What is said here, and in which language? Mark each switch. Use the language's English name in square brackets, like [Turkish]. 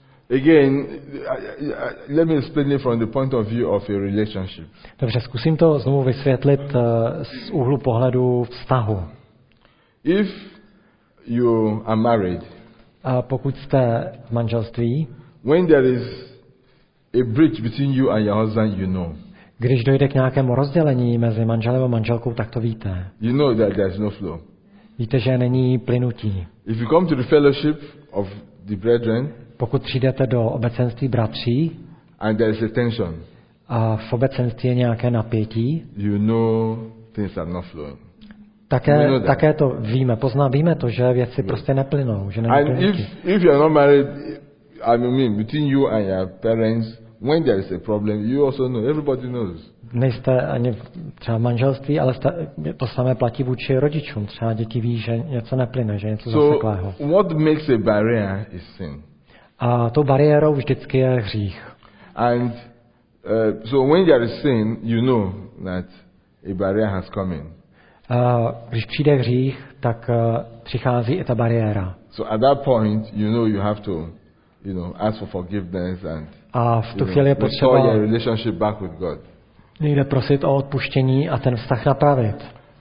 [English] Again, let me explain it from the point of view of a relationship. [Czech] Dobře, zkusím to znovu vysvětlit z úhlu pohledu vztahu. [English] If you are married, [Czech] a pokud jste v manželství, [English] when there is a breach between you and your husband, you know. [Czech] Když dojde k nějakému rozdělení mezi manželem a manželkou, tak to víte. [English] You know that there is no flow. [Czech] Víte, že není plynutí. [English] If you come to the fellowship of the brethren, [Czech] pokud přijdete do obecenství bratří [English] and there is a tension, [Czech] a v obecenství je nějaké napětí, [English] you know things are not flowing. [Czech] Také, you know také to víme, víme to, že věci prostě neplynou, že neplynou. [English] And if you are not married, I mean between you and your parents, when there is a problem, you also know, everybody knows. [Czech] Nejste ani třeba v manželství, ale to samé platí vůči rodičům. Třeba děti ví, že něco neplyne, že něco zaseklého. [English] So what makes a barrier is sin. [Czech] A tou bariérou vždycky je hřích. [English] And so when there is sin, you know that a barrier has come in. [Czech] Když přijde hřích, tak přichází i ta bariéra. [English] So at that point, you know you have to, you know, ask for forgiveness and restore your relationship back with God. [Czech] Nejde prosit o odpuštění a ten vztah napravit.